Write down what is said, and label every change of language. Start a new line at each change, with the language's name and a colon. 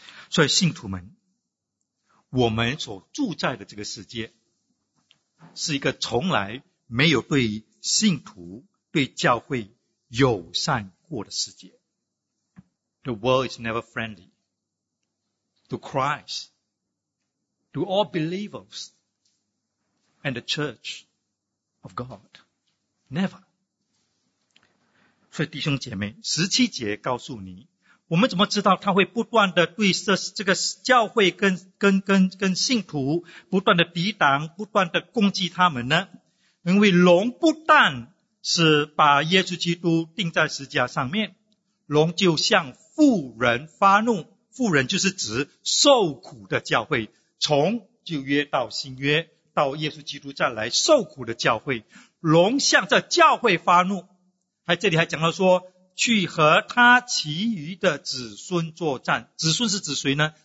Chinese: 所以信徒们，我们所住在的这个世界是一个从来没有对信徒、对教会友善过的世界。
English: The world is never friendly to Christ, to all believers and the church of God. Never.
Chinese: 所以弟兄姐妹，十七节告诉你，我们怎么知道他会不断的对这个教会跟信徒不断的抵挡，不断的攻击他们呢？因为龙不但是把耶稣基督钉在十字架上面，龙就向妇人发怒，妇人就是指受苦的教会，从旧约到新约到耶稣基督再来受苦的教会，龙向着教会发怒，还这里还讲到说去和他其余的子孙作战。子孙是指谁呢？